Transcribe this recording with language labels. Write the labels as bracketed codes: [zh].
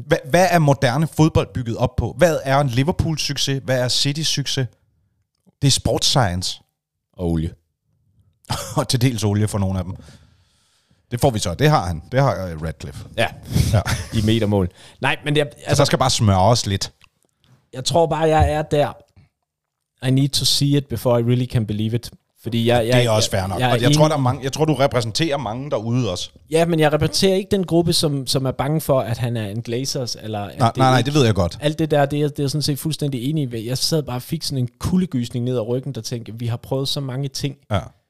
[da] Hvad er moderne fodbold bygget op på? Hvad er en Liverpools succes? Hvad er Citys succes? Det er sports science. Og olie. Og til dels olie for nogle af dem. Det får vi så. Det har han. Det har Radcliffe. Ja, ja. I metermål. Nej, men det er, altså, så der skal bare smøre os lidt. Jeg tror bare, jeg er der. [en] I need to see it before I really can believe it. [da] Fordi jeg, det er også fair nok. Jeg tror, du repræsenterer mange derude også. Ja, men jeg repræsenterer ikke den gruppe, som er bange for, at han er en Glazers. Eller, nej, det ved jeg godt. Alt det der, det er sådan set fuldstændig enig ved. Jeg sad bare og fik sådan en kuldegysning ned ad ryggen, der tænkte, vi har prøvet så mange ting. Ja.